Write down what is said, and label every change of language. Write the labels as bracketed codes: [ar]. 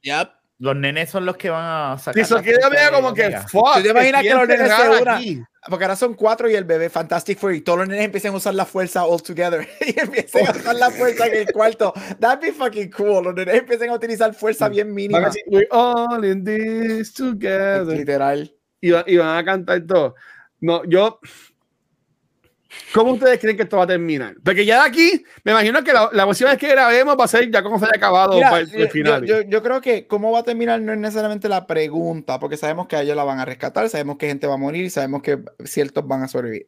[en] Yep. [es] Los nenes son los que van a sacar. Y eso que yo veo como que, fuck. ¿Tú te imaginas que los nenes se unan? Porque ahora son cuatro y el bebé, Fantastic Four, y todos los nenes empiezan a usar la fuerza [en] all together. [es] Y empiezan a usar la fuerza en el cuarto. [en] That'd be fucking cool. [es] Los nenes empiezan a utilizar fuerza bien mínima. [en] We're all in this together. [es] Literal. Y van a cantar todo. No, yo... ¿Cómo ustedes creen que esto va a terminar? Porque ya de aquí, me imagino que la próxima vez que grabemos va a ser ya como se haya acabado. Mira, el final. Yo creo que cómo va a terminar no es necesariamente la pregunta, porque sabemos que a ellos la van a rescatar, sabemos que gente va a morir, sabemos que ciertos van a sobrevivir.